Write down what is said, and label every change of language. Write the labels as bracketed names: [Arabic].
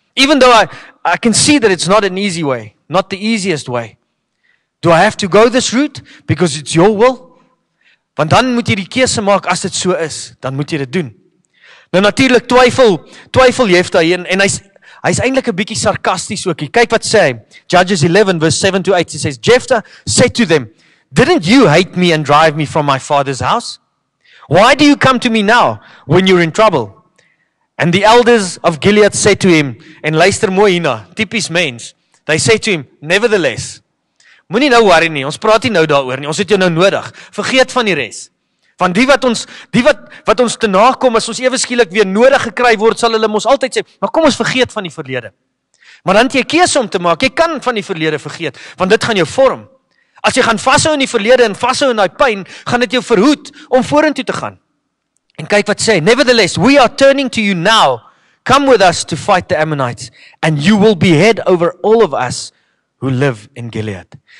[English] Even though I can see that it's not an easy way, not the easiest way. Do I have to go this route because it's your will? [Afrikaans] Want dan moet jy die keuse maak as dit so is, dan moet jy dit doen. Nou natuurlik twyfel Jephthah en hy's eintlik 'n bietjie sarkasties ook. Kyk wat sê hy. [English] Judges 11 verse 7 to 8 he says Jephthah said to them, "Didn't you hate me and drive me from my father's house? Why do you come to me now when you're in trouble?" And the elders of Gilead said to him, [Afrikaans] en luister mooi hierna, tipies mens. [English] They said to him, "Nevertheless, [Afrikaans] moenie nou worry nie, ons praat nie nou daaroor nie, ons het jou nou nodig. Vergeet van die res. Want die wat ons te na kom, as ons ewe skielik weer nodig gekry word, sal hulle ons altyd sê, maar kom ons vergeet van die verlede. Maar dan het jy keuse om te maak, jy kan van die verlede vergeet, want dit gaan jou vorm. As jy gaan vashou in die verlede en vashou in die pyn, gaan dit jou verhoed om vorentoe te gaan. En kyk wat sê, [English] "Nevertheless, we are turning to you now. Come with us to fight the Ammonites, and you will be head over all of us who live in Gilead."